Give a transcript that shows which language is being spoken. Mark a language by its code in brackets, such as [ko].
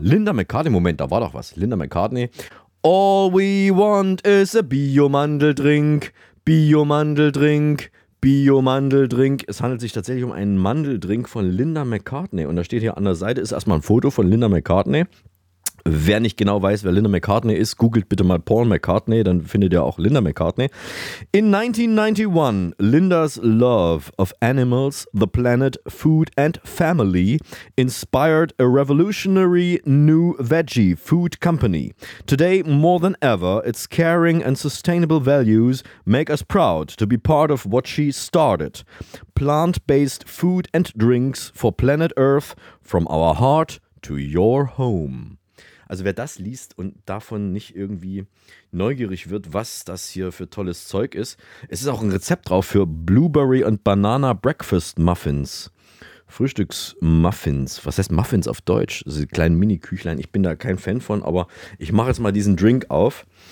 [de] Linda McCartney, Moment, da war doch was. Linda McCartney. [en] All we want is a Bio-Mandel-Drink. [de] Bio-Mandel-Drink. Bio-Mandel-Drink. Es handelt sich tatsächlich um einen Mandeldrink von Linda McCartney. Und da steht hier an der Seite ist erstmal ein Foto von Linda McCartney. Wer nicht genau weiß, wer Linda McCartney ist, googelt bitte mal Paul McCartney, dann findet ihr auch Linda McCartney. [en] In 1991, Linda's love of animals, the planet, food and family inspired a revolutionary new veggie food company. Today, more than ever, its caring and sustainable values make us proud to be part of what she started. Plant-based food and drinks for planet Earth, from our heart to your home. [de] Also wer das liest und davon nicht irgendwie neugierig wird, was das hier für tolles Zeug ist. Es ist auch ein Rezept drauf für Blueberry und Banana Breakfast Muffins. Frühstücksmuffins. Was heißt Muffins auf Deutsch? Diese kleinen Mini-Küchlein. Ich bin da kein Fan von, aber ich mache jetzt mal diesen Drink auf.